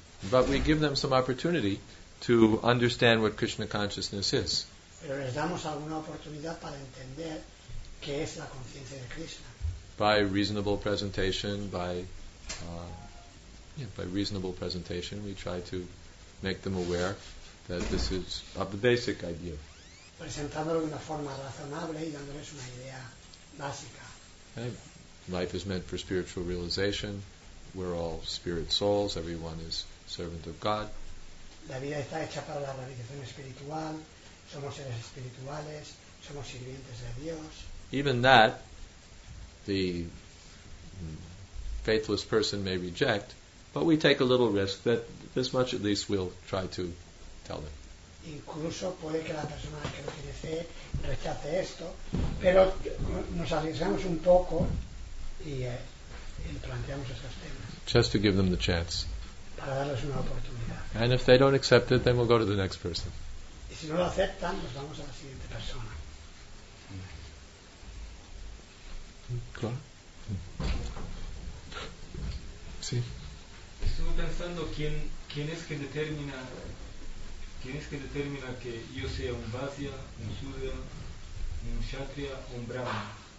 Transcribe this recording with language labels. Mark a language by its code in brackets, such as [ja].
[en] But we give them some opportunity to understand what Krishna consciousness is. [es] Pero les damos alguna oportunidad para entender qué es la conciencia de Krishna. [en] By reasonable presentation, by reasonable presentation, we try to make them aware that this is of the basic idea. [es] Presentándolo de una forma razonable y dándoles una idea básica. [en] Okay. Life is meant for spiritual realization. We're all spirit souls. Everyone is servant of God. [es] La vida está hecha para la realización espiritual. Somos seres espirituales, somos sirvientes de Dios. [en] Even that, the faithless person may reject, but we take a little risk that this much at least we'll try to tell them. [es] Incluso puede que la persona que no tiene fe rechace esto, pero nos arriesgamos un poco y planteamos esos temas. [en] Just to give them the chance. [es] Para darles una oportunidad. [en] And if they don't accept it, then we'll go to the next person. [es] si no lo aceptan, nos vamos a la siguiente persona. ¿Claro? Sí. Estuve pensando quién es que determina que yo sea un Vaisya, un Sudra, un Kshatriya, un Brahma.